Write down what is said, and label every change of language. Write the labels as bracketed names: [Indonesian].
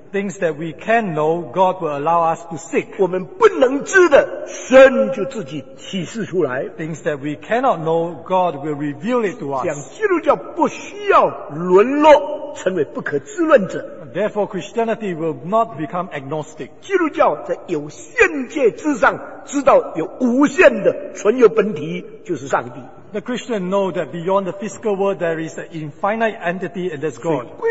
[English] Things that we can know, God will allow us to seek. [Chinese] 我们不能知的，神就自己启示出来。 [English] Things that we cannot know, God will reveal it to us. [Chinese] 讲基督教不需要沦落，成为不可知论者。 [English] Therefore, Christianity will not become agnostic. [Chinese] 基督教在有限界之上，知道有无限的存有本体。 [English] The Christian know that beyond the physical world there is an infinite entity and that's God.